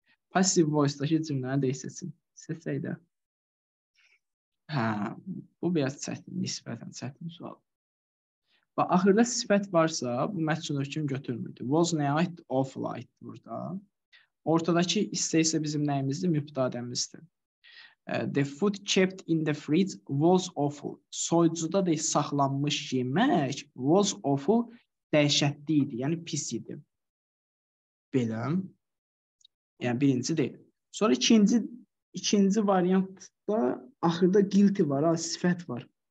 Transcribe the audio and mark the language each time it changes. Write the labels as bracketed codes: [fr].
[az] Passive voice-dakı cümləni dəyişsin. Seçsək də. Ha, bu biraz çətin, nisbətən çətin sual. Və axırda sifət varsa, bu məhzunu kim götürmürdü? Was nəyə aid? [en] Of light [az] burada. Ortadakı istə isə bizim nəyimizdir? Mübtədəmizdir. [en] The food kept in the fridge was awful. [az] Soyucuda da saxlanmış yemək [en] was awful [az] dəhşətli idi, yəni pis idi. Belə. Yəni birinci deyil. Sonra ikinci variantda axırda guilty var, ha, sifət var.